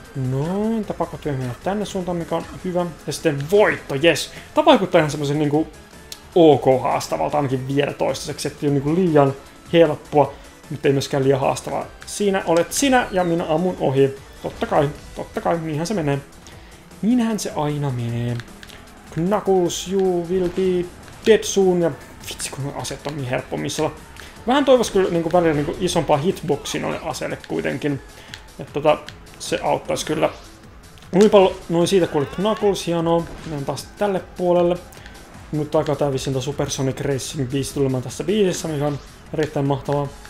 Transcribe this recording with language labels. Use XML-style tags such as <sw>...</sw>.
<fi>Noin, tää pakottu ei mennä tänne suuntaan, mikä on hyvä. Ja sitten voitto, jes! Tää vaikuttaa ihan semmosen niinku OK-haastavalta ainakin vielä toistaiseksi, että ei ole niinku liian helppoa, mutta ei myöskään liian haastavaa. Siinä olet sinä ja minä ammun ohi. Totta kai, niinhän se menee. Niinhän se aina menee.</fi> <en>Knuckles, you will be dead soon.</en> <fi>Ja vitsi, kun aset on niin helppo missalla. Vähän toivois kyllä niinku välillä niinku isompaa hitboxia noille aseille kuitenkin. Että tota, se auttais kyllä. Lumipallo, noin siitä kuulit Knuckles, hienoo. Mennään taas tälle puolelle. Nyt alkaa tää vissiin tää Super Sonic Racing biisi tulemaan tässä biisissä, mikä on erittäin mahtavaa.</fi>